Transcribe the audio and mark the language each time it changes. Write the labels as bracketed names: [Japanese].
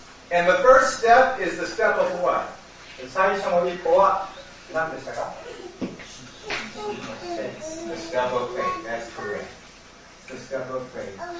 [English] And the first step is the step of what? The [Japanese] 最初の一歩は何でしたか? [English] The step of faith, that's correct. The step of faith.